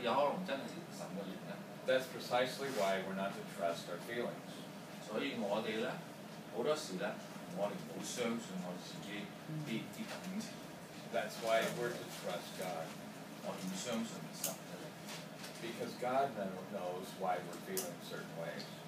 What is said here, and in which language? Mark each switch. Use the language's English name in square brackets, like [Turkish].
[Cantonese] 那么我现在就说呢,我们究竟每一天的感觉呢,有可能是一种化学问题,有可能我们的感情呢,有可能真的是神的原因。 [English] That's precisely why we're not to trust our feelings. [Cantonese] 所以我们呢,很多时呢,我们不相信我们自己的感情。 [English] That's why we're to trust God. Because God then knows why we're feeling certain ways.